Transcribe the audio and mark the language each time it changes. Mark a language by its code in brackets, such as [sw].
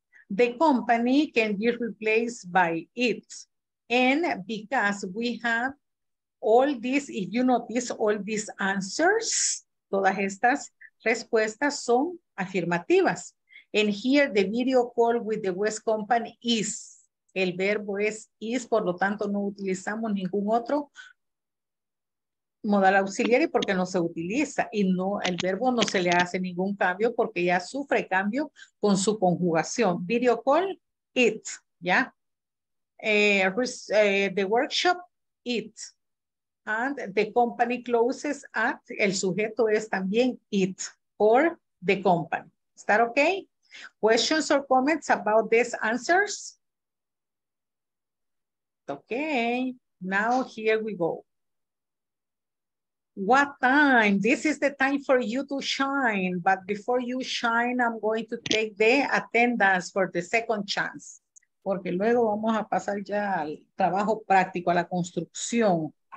[en] The company can be replaced by it. And because we have all these, if you notice, all these answers, [es] todas estas respuestas son afirmativas. [en] And here the video call with the West company is. [es] El verbo es is, por lo tanto no utilizamos ningún otro modal auxiliar porque no se utiliza. Y no, el verbo no se le hace ningún cambio porque ya sufre cambio con su conjugación. [en] Video call, it, ¿ya? The workshop, it. And the company closes at, [es] el sujeto es también [en] it or the company. ¿Is that okay? Questions or comments about these answers? Okay, now here we go. What time? This is the time for you to shine, but before you shine, I'm going to take the attendance for the second chance. [es] Porque luego vamos a pasar ya al trabajo práctico, a la construcción.